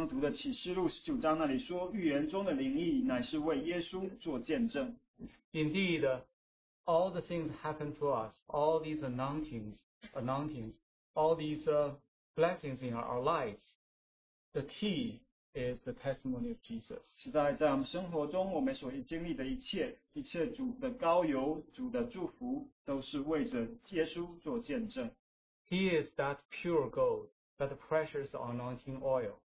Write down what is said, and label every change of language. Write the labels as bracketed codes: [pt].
[zh] 在我们刚刚读的启示录19章那里说, 预言中的灵意乃是为耶稣做见证。 [en] Indeed, all the things happen to us, all these anointings, all these blessings in our lives, the key is the testimony of Jesus. [zh] 实在在我们生活中我们所经历的一切, 一切主的膏油, 主的祝福, 都是为着耶稣做见证。 [en] He is that pure gold, that precious anointing oil.